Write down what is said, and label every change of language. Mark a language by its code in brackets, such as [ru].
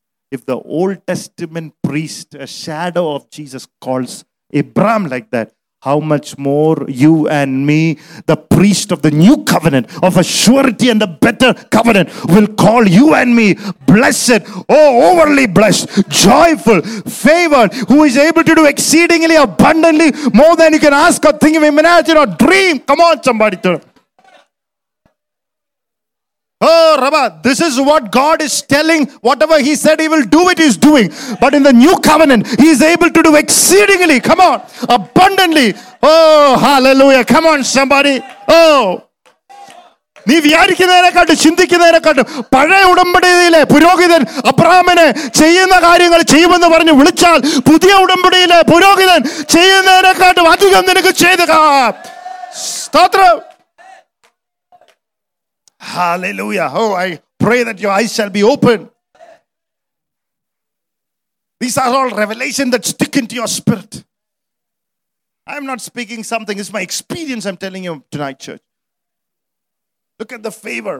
[en] If the Old Testament priest, a shadow of Jesus, calls Abraham like that, how much more you and me, the priest of the new covenant, of a surety and the better covenant, will call you and me blessed, oh, overly blessed, joyful, favored, who is able to do exceedingly abundantly more than you can ask or think of, imagine or dream. Come on, somebody. Oh, Rabbi, this is what God is telling. Whatever he said he will do, it is doing. But in the new covenant, he is able to do exceedingly, come on, abundantly. Oh, hallelujah. Come on, somebody. Oh. [ml] നീ വിചാരിക്കുന്നതിനെക്കാട്ടും ചിന്തിക്കുന്നതിനെക്കാട്ടും പഴയ ഉടമ്പടിയിലെ പുരോഹിതൻ അബ്രഹാമിനെ ചെയ്യുന്ന കാര്യങ്ങൾ ചെയ്യുമെന്ന് പറഞ്ഞ് വിളിച്ചാൽ പുതിയ ഉടമ്പടിയിലെ പുരോഹിതൻ ചെയ്യുന്നതിനെക്കാട്ടും അധികം നിനക്ക് ചെയ്തു. സ്തോത്രം. [en] Hallelujah. Oh, I pray that your eyes shall be open. These are all revelations that stick into your spirit. I'm not speaking something. It's my experience I'm telling you tonight, church. Look at the favor.